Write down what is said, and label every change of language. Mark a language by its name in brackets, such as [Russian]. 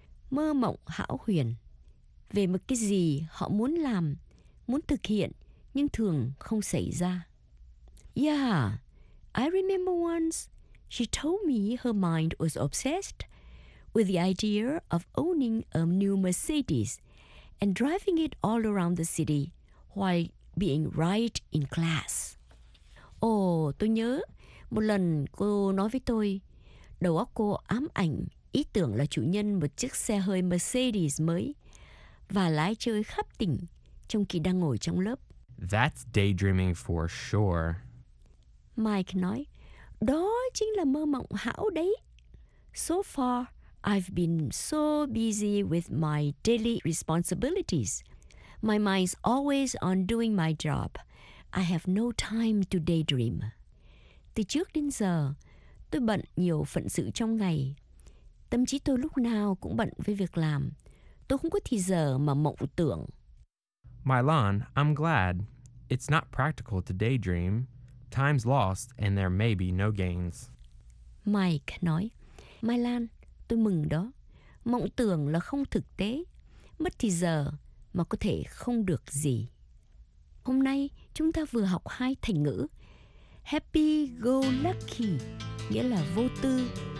[Vietnamese] Mơ mộng hão huyền về một cái gì họ muốn làm, muốn thực hiện, nhưng thường không xảy ra. [English] Yeah, I remember once she told me her mind was obsessed with the idea of owning a new Mercedes and driving it all around the city while being right in class. [Vietnamese] Oh, tôi nhớ một lần cô nói với tôi, đầu óc cô ám ảnh ý tưởng là chủ nhân một chiếc xe hơi Mercedes mới và lái chơi khắp tỉnh trong khi đang ngồi trong lớp. [English] That's daydreaming for sure. [Vietnamese] Mike nói, đó chính là mơ mộng hão đấy. [English] So far, I've been so busy with my daily responsibilities. My mind's always on doing my job. I have no time to daydream. [Vietnamese] Từ trước đến giờ, tôi bận nhiều phận sự trong ngày. Tâm trí tôi lúc nào cũng bận với việc làm. Tôi không có thì giờ mà mộng tưởng. [English] Mylan, I'm glad. It's not practical to daydream. Time's lost and there may be no gains. [Vietnamese] Mike nói, Mylan, tôi mừng đó. Mộng tưởng là không thực tế. Mất thì giờ mà có thể không được gì. Hôm nay chúng ta vừa học hai thành ngữ. Happy go lucky nghĩa là vô tư.